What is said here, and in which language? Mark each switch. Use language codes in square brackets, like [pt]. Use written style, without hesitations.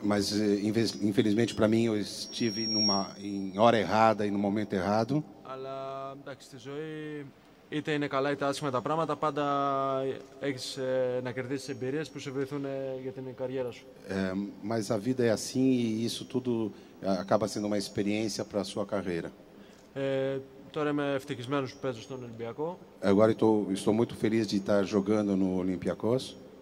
[pt] Mas infelizmente para mim eu estive em hora errada e no momento errado. [el] Αλλά εντάξει, στη ζωή... Είτε είναι καλά είτε άσχημα τα πράγματα, πάντα έχεις να κερδίσεις εμπειρίες που σε βοηθούν για την καριέρα σου. [pt] Mas a vida é assim e isso tudo acaba sendo uma experiência para a sua carreira. [el] Τώρα είμαι ευτυχισμένος που παίζω στον Ολυμπιακό. [pt] Agora estou muito feliz de estar jogando no Olympiacos.